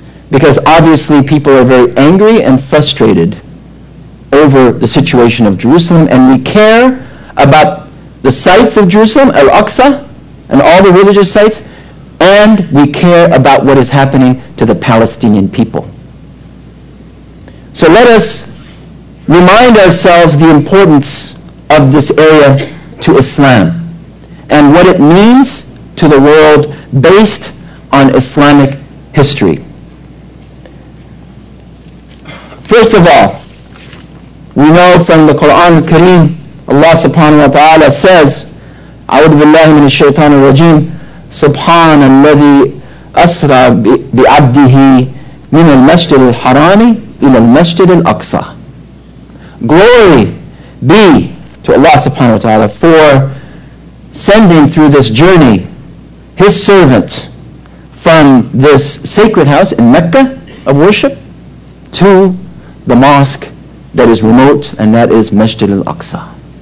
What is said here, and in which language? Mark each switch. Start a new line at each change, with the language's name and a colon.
English: Because obviously people are very angry and frustrated over the situation of Jerusalem, and we care about the sites of Jerusalem, Al-Aqsa, and all the religious sites, and we care about what is happening to the Palestinian people. So let us remind ourselves the importance of this area to Islam and what it means to the world based on Islamic history. First of all, we know from the Quran al-Kareem, Allah subhanahu wa ta'ala says,
Arabic: أعوذ بالله من الشيطان الرجيم سبحان الذي أسرى بعبده من المسجد الحرام إلى المسجد الأقصى.
English: Glory be to Allah subhanahu wa ta'ala for sending through this journey his servant from this sacred house in Mecca of worship to the mosque that is remote, and that is Masjid al-Aqsa.